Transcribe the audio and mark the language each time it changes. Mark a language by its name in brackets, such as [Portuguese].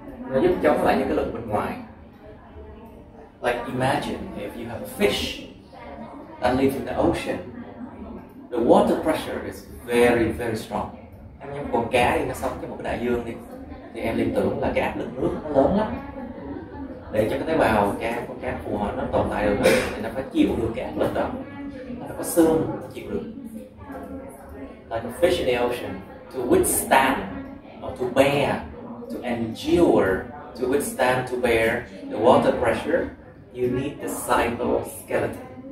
[Vietnamese] Nó giúp chống lại những cái lực bên ngoài. [English] Like imagine if you have a fish that lives in the ocean, the water pressure is very very strong. [Vietnamese] Em giống con cá đi, nó sống trong một cái đại dương đi, thì em liên tưởng là cái áp lực nước nó lớn lắm. Để cho cái tế bào cá, con cá phù hợp nó tồn tại được thì nó phải chịu được cái áp lực đó. Nó phải có xương nó chịu được. [English] Like a fish in the ocean, to withstand or to bear, to endure, to withstand, to bear the water pressure, you need the cytoskeleton.